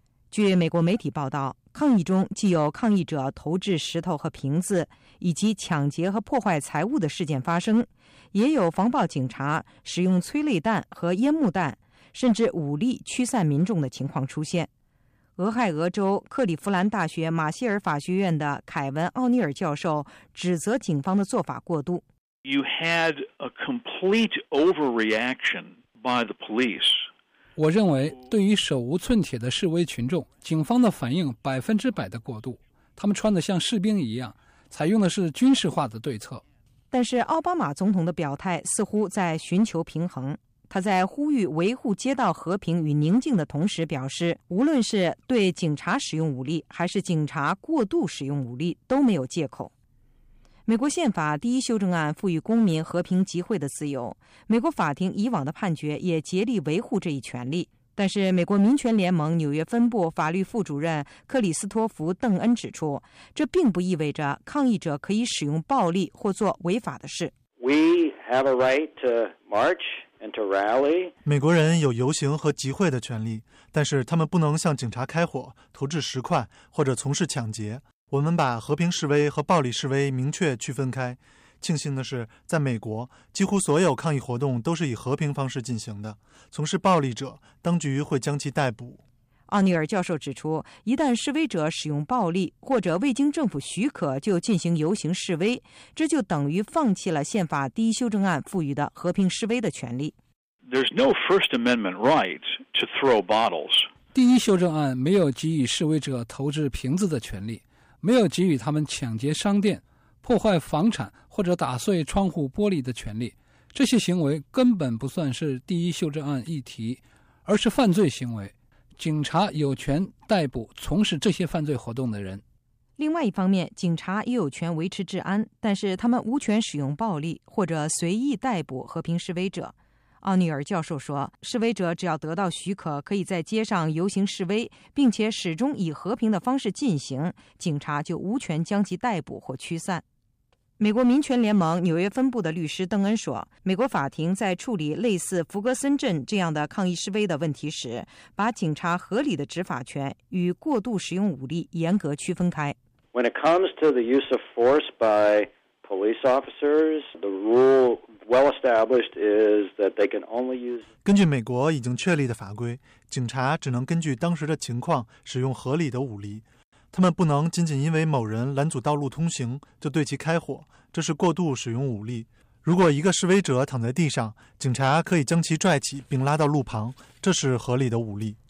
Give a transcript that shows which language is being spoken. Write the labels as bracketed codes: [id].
[zh] 据美国媒体报道，抗议中既有抗议者投掷石头和瓶子，以及抢劫和破坏财物的事件发生，也有防暴警察使用催泪弹和烟幕弹，甚至武力驱散民众的情况出现。俄亥俄州克利夫兰大学马歇尔法学院的凯文·奥尼尔教授指责警方的做法过度。 [en] You had a complete overreaction by the police. [zh] 我认为对于手无寸铁的示威群众，警方的反应100%的过度，他们穿得像士兵一样，采用的是军事化的对策。但是奥巴马总统的表态似乎在寻求平衡，他在呼吁维护街道和平与宁静的同时表示，无论是对警察使用武力还是警察过度使用武力都没有借口。美国宪法第一修正案赋予公民和平集会的自由，美国法庭以往的判决也竭力维护这一权利。但是美国民权联盟纽约分部法律副主任克里斯托弗·邓恩指出，这并不意味着抗议者可以使用暴力或做违法的事。 [en] We have a right to march and to rally. [zh] 美国人有游行和集会的权利，但是他们不能向警察开火、投掷石块或者从事抢劫。我们把和平示威和暴力示威明确区分开。庆幸的是，在美国，几乎所有抗议活动都是以和平方式进行的。从事暴力者，当局会将其逮捕。奥尼尔教授指出，一旦示威者使用暴力或者未经政府许可就进行游行示威，这就等于放弃了宪法第一修正案赋予的和平示威的权利。 [en] There's no First Amendment right to throw bottles. [zh] 第一修正案没有给予示威者投掷瓶子的权利。没有给予他们抢劫商店、破坏房产或者打碎窗户玻璃的权利，这些行为根本不算是第一修正案议题，而是犯罪行为。警察有权逮捕从事这些犯罪活动的人。另外一方面，警察也有权维持治安，但是他们无权使用暴力或者随意逮捕和平示威者。奥尼尔教授说，示威者只要得到许可，可以在街上游行示威，并且始终以和平的方式进行，警察就无权将其逮捕或驱散。美国民权联盟纽约分部的律师邓恩说，美国法庭在处理类似弗格森镇这样的抗议示威的问题时，把警察合理的执法权与过度使用武力严格区分开。 [en] When it comes to the use of force by police officers, the rule... [zh] 根据美国已经确立的法规，警察只能根据当时的情况使用合理的武力。他们不能仅仅因为某人拦阻道路通行就对其开火，这是过度使用武力。如果一个示威者躺在地上，警察可以将其拽起并拉到路旁，这是合理的武力。